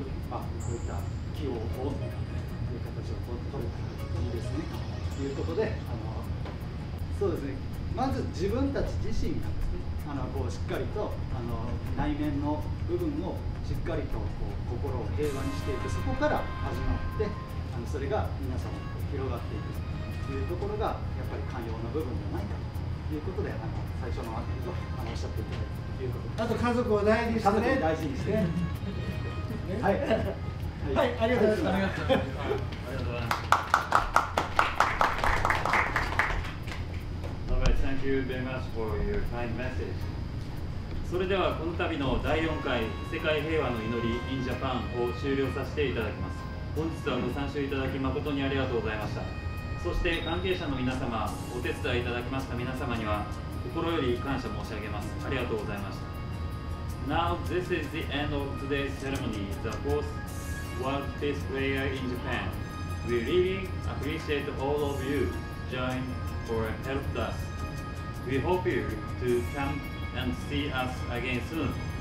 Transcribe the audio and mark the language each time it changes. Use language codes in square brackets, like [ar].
[ja] こういった記号をという形を取れたらいいですねということで、そうですね、まず自分たち自身がですね、こうしっかりと内面の部分をしっかりとこう心を平和にしていく、そこから始まって、それが皆様に広がっていくというところがやっぱり寛容の部分じゃないかということで、最初のアンケートをおっしゃっていただいたということで、あと家族を大事にして、ね、家族を大事にして、ね、はい、はい、ありがとうございます。ありがとうございます。 [en] Thank you very much for your kind message. [ja] それではこの度の第4回世界平和の祈り in Japan を終了させていただきます。本日はご参集いただき誠にありがとうございました。そして関係者の皆様、お手伝いいただきました皆様には心より感謝申し上げます。ありがとうございました。 [en] Now this is the end of today's ceremony, the fourth World Peace Prayer in Japan. We really appreciate all of you join for help usWe hope you to come and see us again soon.